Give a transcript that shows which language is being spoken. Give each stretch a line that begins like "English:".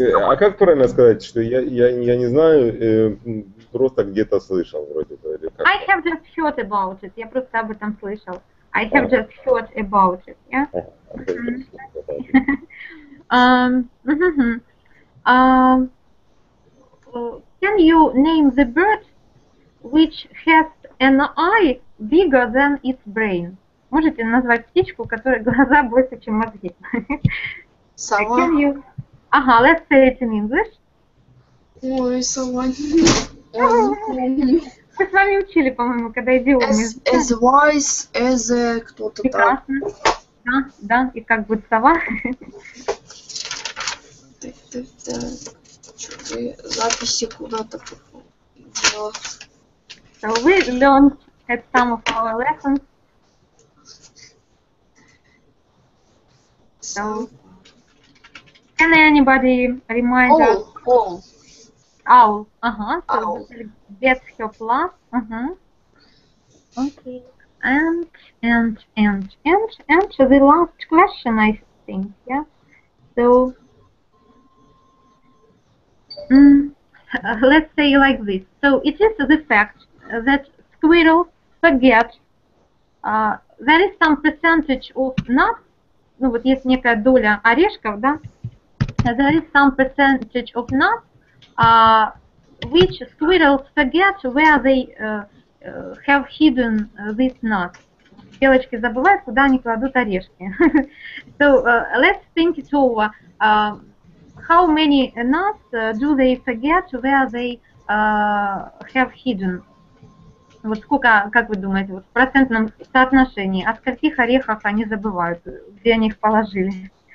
Russian: А как правильно сказать, что я не знаю, просто где-то слышал вроде бы.
English: I have just heard about it.
Russian: Я просто об этом слышал.
English: I have just heard about it, can you name the bird which has an eye bigger than its brain?
Russian: Можете назвать птичку, у которой глаза больше, чем мозги? Сова.
English: Ага, let's say it in English.
Russian: Ой, сова. Мы с вами учили, по-моему, когда идиомы.
English: As wise as a
Russian: кто-то. Прекрасно. Так. Да, да, и как будет сова. Так. Чёрт, записи куда-то попал.
English: So we learned at some of our lessons. So, can anybody remind us? Owl. Owl. Gets her plus. Okay. And the last question, I think. Yeah. So. Let's say like this. So it is the fact that squirrels forget there is some percentage of nuts,
Russian: ну вот есть некая доля орешков, да?
English: There is some percentage of nuts which squirrels forget where they have hidden this nut.
Russian: Белочки забывают, куда они кладут орешки.
English: So let's think it over. How many nuts do they forget where they have hidden?
Russian: Вот сколько, как вы думаете, вот в процентном соотношении, о скольких орехах они забывают, где они их положили?